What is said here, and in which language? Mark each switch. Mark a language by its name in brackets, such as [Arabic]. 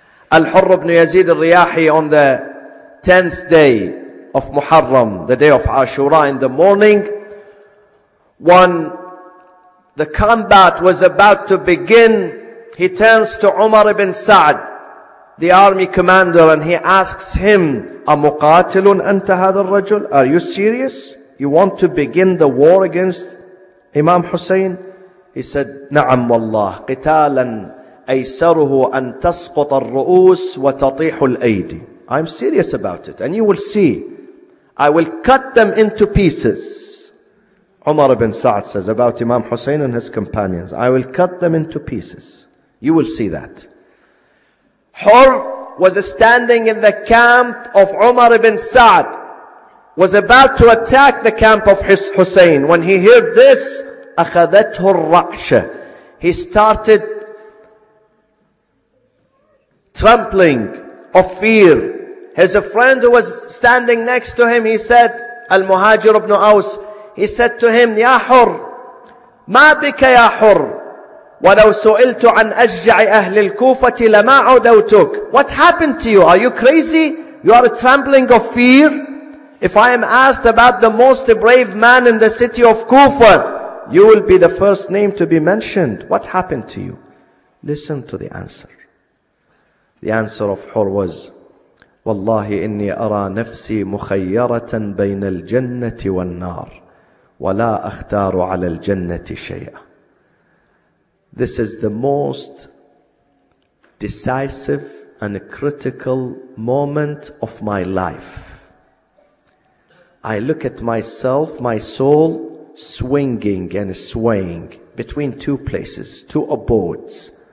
[English] Al-Hurr ibn Yazid al-Riyahi, on the 10th day of Muharram, the day of Ashura, in the morning, when the combat was about to begin, he turns to Umar ibn Sa'd, the army commander, and he asks him, [Arabic] أَمُقَاتِلٌ أَنْتَ هَذَا الرَّجُلُ? [English] Are you serious? You want to begin the war against Imam Hussein? He said, [Arabic] نَعَمْ وَاللَّهِ قِتَالًا أَيْسَرُهُ أَنْ تَسْقُطَ الرُّؤُوسُ وَتَطِيحُ الْأَيْدِ. [English] I'm serious about it. And you will see. I will cut them into pieces. Umar ibn Sa'd says about Imam Hussein and his companions, I will cut them into pieces. You will see that. Hur was standing in the camp of Umar ibn Sa'd, was about to attack the camp of Hussein. When he heard this, [Arabic] أَخَذَتْهُ الرَّعْشَ, [English] he started trembling of fear. His friend who was standing next to him, he said, Al-Muhajir ibn Aws, he said to him, [Arabic] يَا حُرْ مَا بِكَ يَا حُرْ وَلَوْ سُئِلْتُ عَنْ أَجْجَعِ أَهْلِ الْكُوفَةِ لَمَا عُدَوْتُكَ. [English] What happened to you? Are you crazy? You are trembling of fear? If I am asked about the most brave man in the city of Kufa, you will be the first name to be mentioned. What happened to you? Listen to the answer. The answer of Hur was, [Arabic] وَاللَّهِ إِنِّي أَرَى نَفْسِي مُخَيَّرَةً بَيْنَ الْجَنَّةِ وَالنَّارِ وَلَا أَخْتَارُ عَلَى الْجَنَّةِ شَيْئًا. [English] This is the most decisive and critical moment of my life. I look at myself, my soul, swinging and swaying between two places, two abodes.